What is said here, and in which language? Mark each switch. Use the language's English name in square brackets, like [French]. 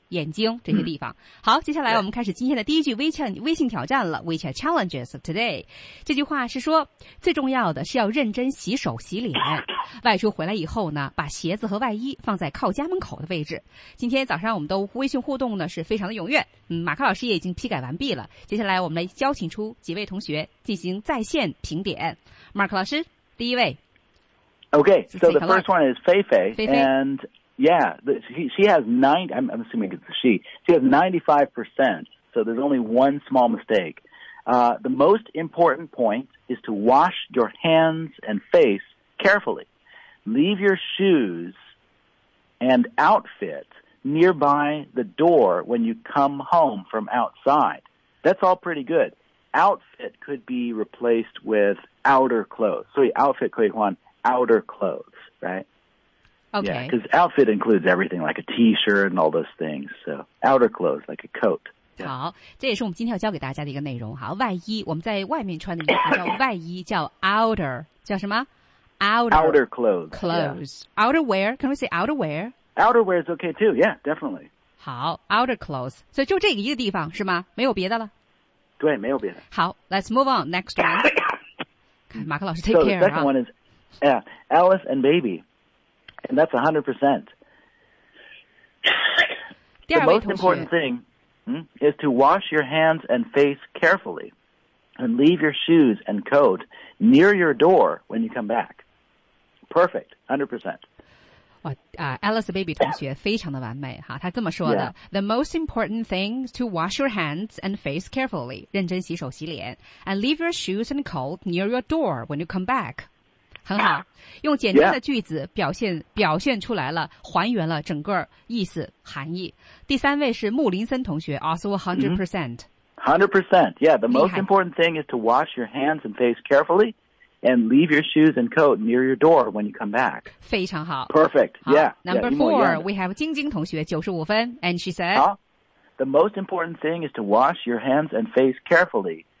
[Chinese] 眼睛这些地方、嗯、好接下来我们开始今天的第一句微信挑战了 [English] WeChat Challenges of Today [Chinese] 这句话是说最重要的是要认真洗手洗脸外出回来以后呢把鞋子和外衣放在靠家门口的位置今天早上我们都微信互动呢是非常的踊跃嗯，马克老师也已经批改完毕了接下来我们来邀请出几位同学进行在线评点 Mark 老师第一位 [English] Okay so the first one is [Chinese] 菲菲 [English] andYeah, she has 90, I'm assuming it's a she, she has 95%, so there's only one small mistake. The most important point is to wash your hands and face carefully. Leave your shoes and outfit nearby the door when you come home from outside. That's all pretty good. Outfit could be replaced with outer clothes. So outfit [Chinese] 可以换 [English] outer clothes, right? Okay. Yeah, because outfit includes everything, like a t-shirt and all those things. So, outer clothes, like a coat.、Yeah. [Chinese] 好，这也是我们今天要教给大家的一个内容。好，外衣，我们在外面穿的衣服叫外衣，叫 outer, 叫什么 [English] ？Outer clothes. Clothes.、 Yeah. Outer wear. Can we say outer wear? Outer wear is okay too. Yeah, definitely. 好 ，outer clothes. [Chinese] 所以就这个一个地方是吗？没有别的了。对，没有别的。 [English] 好 ，let's move on. Next one. 马克老师，take care. So the second、啊、 one is, yeah, Alice and Baby. And that's 100%. The most important thing is to wash your hands and face carefully and leave your shoes and coat near your door when you come back. Perfect. 100%. [Chinese] Alice Baby 同学非常的完美哈，他这么说的、 [English] yeah. The most important thing is to wash your hands and face carefully, [Chinese] 认真洗手洗脸 [English] and leave your shoes and coat near your door when you come back. [Chinese] 很好用简单的句子表现出来了还原了整个意思含义。第三位是穆林森同学 also 100%。 [English] 100%, yeah, the most important thing is to wash your hands and face carefully and leave your shoes and coat near your door when you come back. [Chinese] 非常好。 [English] Perfect. [Chinese] 好 [English] yeah. Number yeah, four, yeah. we have 晶晶 [Chinese] 同学95分 [English] and she said, The most important thing is to wash your hands and face carefully.